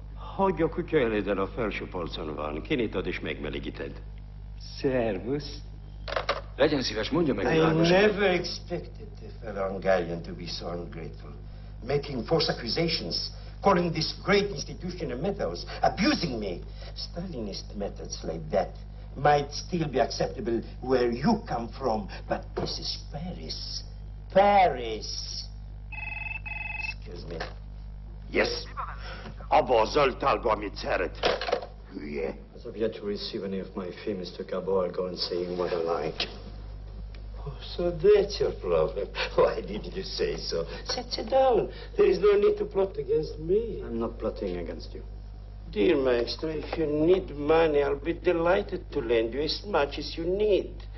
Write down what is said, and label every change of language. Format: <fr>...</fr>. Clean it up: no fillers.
<hu>Hogyok kutyajeléden a felső polcon van. Kinyitod és megmelegíted. Servus. Legyen szíves, mondja meg világosan.</hu> <en>I never expected the fellow Hungarian to be so ungrateful. Making false accusations, calling this great institution a madhouse, abusing me. Stalinist methods like that might still be acceptable where you come from, but this is Paris. Paris! Excuse me. Yes?</en> <hu>Abba a zöld tálba, amit szeret. Hülye.</hu> <en>As of yet to receive any of my fee, Mr. Gabor, I'll go and say what I like. So that's your problem. Why didn't you say so? Sit down. There is no need to plot against me. I'm not plotting against you. Dear maestro, if you need money, I'll be delighted to lend you as much as you need.</en>